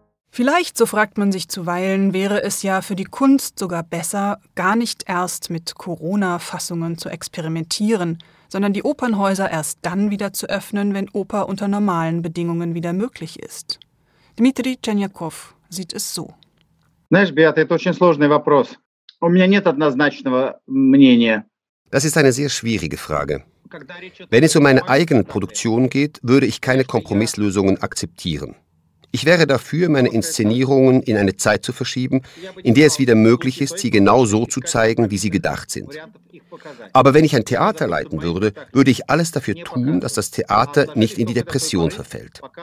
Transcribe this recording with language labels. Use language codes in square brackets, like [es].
[de] Vielleicht, so fragt man sich zuweilen, wäre es ja für die Kunst sogar besser, gar nicht erst mit Corona-Fassungen zu experimentieren, sondern die Opernhäuser erst dann wieder zu öffnen, wenn Oper unter normalen Bedingungen wieder möglich ist. Dmitri Chenyakov sieht es so. [ru] Знаешь, Beate, это очень сложный вопрос. У меня нет однозначного мнения. [de] Das ist eine sehr schwierige Frage. Wenn es um meine eigene Produktion geht, würde ich keine Kompromisslösungen akzeptieren. Ich wäre dafür, meine Inszenierungen in eine Zeit zu verschieben, in der es wieder möglich ist, sie genau so zu zeigen, wie sie gedacht sind. Aber wenn ich ein Theater leiten würde, würde ich alles dafür tun, dass das Theater nicht in die Depression verfällt.